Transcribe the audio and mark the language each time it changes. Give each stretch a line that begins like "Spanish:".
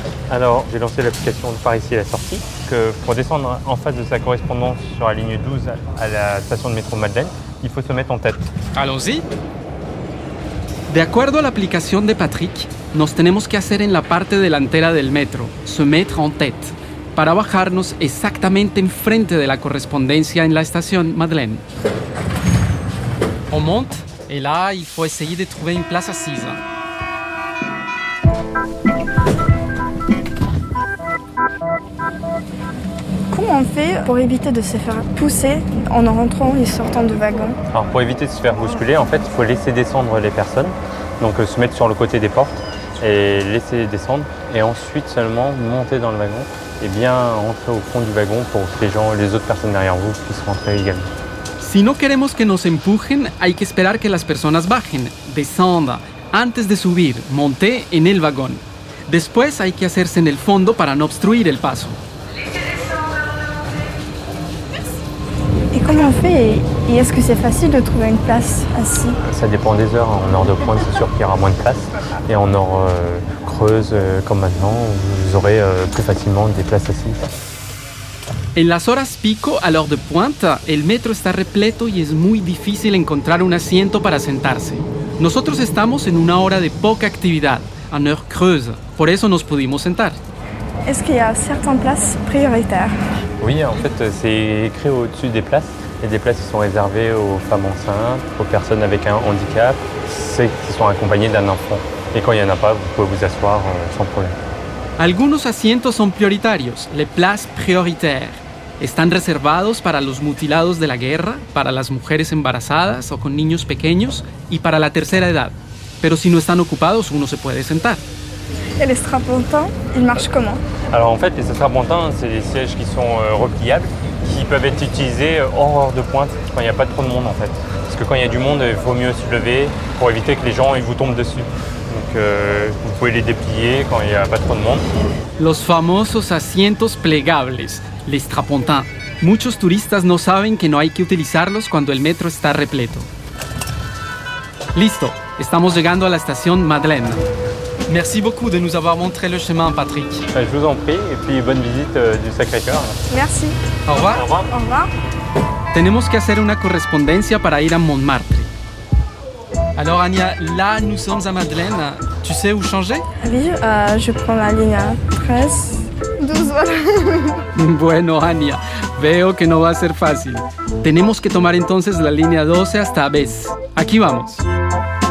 French: Alors, j'ai lancé l'application par ici à la sortie. Que pour descendre en face de sa correspondance sur la ligne 12 à la station de métro Madeleine, il faut se mettre en tête. Allons-y.
Spanish: De acuerdo a
French: l'application de Patrick,
Spanish: nos tenemos que hacer en la parte delantera del metro,
French: se mettre en tête,
Spanish: para bajarnos exactamente enfrente de la correspondencia en la station Madeleine.
French: On monte, et là, il faut essayer de trouver une place assise. Comment on fait pour éviter de se faire pousser en rentrant et sortant de wagon? Alors pour éviter de se faire bousculer, en fait, il faut laisser descendre les personnes, donc se mettre sur le côté des portes et laisser descendre et ensuite seulement monter dans le wagon et bien rentrer au fond du wagon pour que les gens, les autres personnes derrière vous puissent rentrer également.
Spanish: Si no queremos que nos empujen, hay que esperar que las personas bajen, descendan, antes de subir, monter en el wagon. Después hay que hacerse en el fondo para no obstruir el paso.
French: Comment on fait et est-ce que c'est facile de trouver une place assise? Ça dépend des heures. En heure de pointe, c'est sûr qu'il y aura moins de place. Et en heure creuse, comme maintenant, vous aurez plus facilement des places assises.
Spanish: En las horas pico,
French: à l'heure de pointe,
Spanish: el metro está repleto y es muy difícil encontrar un asiento para sentarse. Nosotros estamos en una hora de poca actividad,
French: en heure creuse.
Spanish: Por eso nos pudimos sentar.
French: Est-ce qu'il y a certaines places prioritaires? Oui, en fait, c'est écrit au-dessus des places. Il y a des places qui sont réservées aux femmes enceintes, aux personnes avec un handicap, celles qui sont accompagnées d'un enfant. Et quand il n'y en a pas, vous pouvez vous asseoir sans problème.
Spanish: Algunos asientos son prioritarios,
French: les places prioritaires.
Spanish: Están reservados para los mutilados de la guerra, para las mujeres embarazadas o con niños pequeños y para la tercera edad. Pero si no están ocupados, uno se puede sentar.
French: Et les strapontins, ils marchent comment? Alors en fait, les strapontins, c'est des sièges qui sont repliables, qui peuvent être utilisés hors heure de pointe, quand il n'y a pas trop de monde en fait. Parce que quand il y a du monde, il vaut mieux se lever pour éviter que les gens ils vous tombent dessus. Donc vous pouvez les déplier quand il n'y a pas trop de monde.
Spanish: Los famosos asientos plegables, les strapontins. Muchos turistas no saben que no hay que utilizarlos cuando el metro está repleto. Listo, estamos llegando a la estación Madeleine.
French: Merci beaucoup de nous avoir montré le chemin, Patrick. Je vous en prie, et puis bonne visite du Sacré-Cœur. Merci. Au revoir. Au revoir. Au revoir.
Spanish: Tenemos que hacer una correspondencia para ir à Montmartre.
French: Alors, Anya, là, nous sommes à Madeleine. Tu sais où changer? Oui, je prends la ligne à 13, 12, voilà.
Spanish: Bueno, Anya, veo que no va a ser fácil. Tenemos que tomar entonces la línea 12 hasta Bess. Aquí vamos.